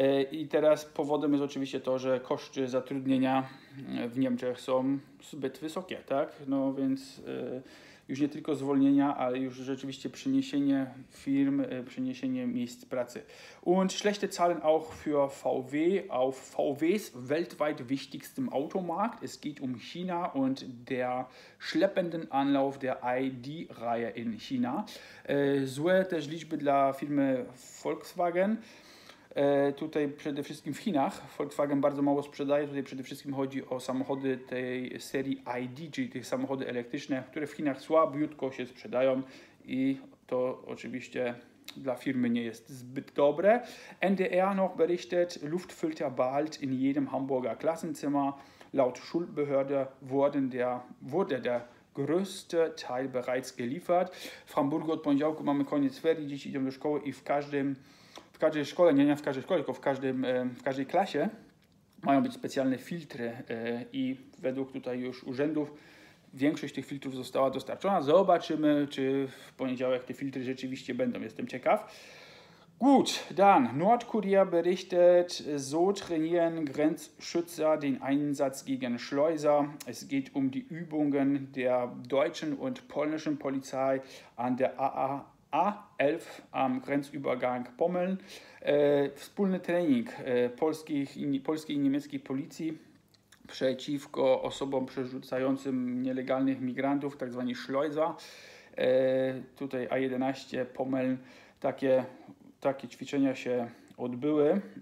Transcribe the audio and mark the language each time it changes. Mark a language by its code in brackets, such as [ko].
[pl] I teraz powodem jest oczywiście to, że koszty zatrudnienia w Niemczech są zbyt wysokie, tak? No więc już nie tylko zwolnienia, ale już rzeczywiście przeniesienie firm, przeniesienie miejsc pracy. [de] Und schlechte Zahlen auch für VW auf VWs weltweit wichtigstem Automarkt. Es geht um China und der schleppenden Anlauf der ID-Reihe in China. [pl] Złe też liczby dla firmy Volkswagen. Tutaj przede wszystkim w Chinach Volkswagen bardzo mało sprzedaje, tutaj przede wszystkim chodzi o samochody tej serii ID, czyli tych samochody elektryczne, które w Chinach słabiutko się sprzedają i to oczywiście dla firmy nie jest zbyt dobre. [de] NDR noch berichtet, Luftfilter bald in jedem Hamburger Klassenzimmer. Laut Schulbehörde wurde der größte Teil bereits geliefert. [pl] W Hamburgu od poniedziałku mamy koniec ferii, dzieci idą do szkoły i w każdej klasie mają być specjalne filtry i według tutaj już urzędów większość tych filtrów została dostarczona. Zobaczymy, czy w poniedziałek te filtry rzeczywiście będą. Jestem ciekaw. [de] Gut, dann Nordkorea berichtet, so trainieren Grenzschützer den Einsatz gegen Schleuser. Es geht um die Übungen der deutschen und polnischen Polizei an der A11 am Grenzübergang Pommeln. [pl] Wspólny trening polskiej i niemieckiej policji przeciwko osobom przerzucającym nielegalnych migrantów, tak zwani Schleuser. Tutaj A11 Pommeln. Takie ćwiczenia się odbyły.